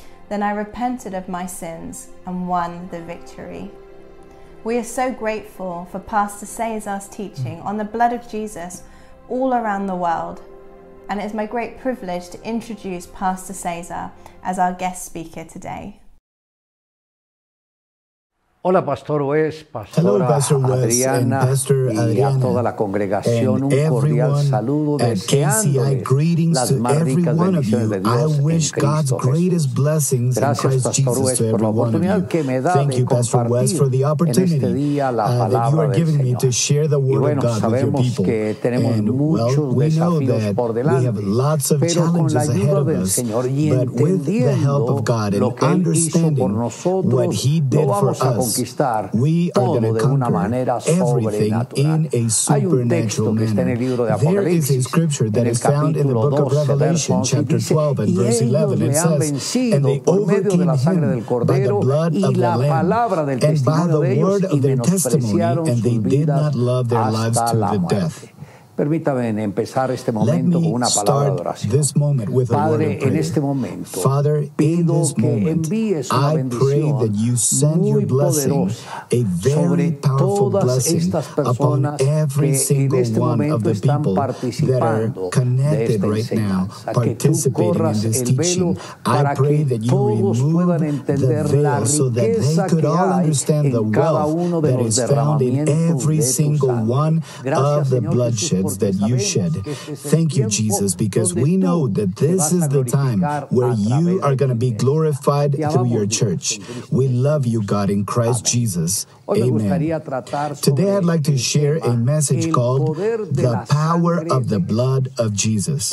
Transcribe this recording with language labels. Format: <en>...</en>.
<en>Then I repented of my sins and won the victory. We are so grateful for Pastor Cesar's teaching on the blood of Jesus all around the world. And it is my great privilege to introduce Pastor Cesar as our guest speaker today.</en> <es>Hola, Pastor Wes, Pastora Adriana, y a toda la congregación, un cordial saludo deseándoles las más ricas bendiciones de Dios en Cristo Jesús. Gracias, Pastor Wes, por la oportunidad que me da de compartir en este día la palabra del Señor. Y bueno, sabemos que tenemos muchos desafíos por delante, pero con la ayuda del Señor y entendiendo lo que Él hizo por nosotros, lo vamos a conquistar.</es> <en>We are going to conquer everything in a supernatural manner. There is a scripture that is found in the book of Revelation, chapter 12 and verse 11. It says, and they overcame him by the blood of the Lamb and by the word of their testimony, and they did not love their lives to the death.</en> <es>Permítame empezar este momento con una palabra de oración. Padre, en este momento,</es> <en>Father,</en> <es>pido que envíes una bendición muy poderosa sobre todas estas personas que en este momento están participando de esta enseñanza. Que tú corras el velo para que todos puedan entender la riqueza que hay en cada uno de los derramamientos de tu sangre.</es> <en>That you shed. Thank you, Jesus, because we know that this is the time where you are going to be glorified through your church. We love you, God, in Christ Jesus. Amen. Today I'd like to share a message called The Power of the Blood of Jesus.</en>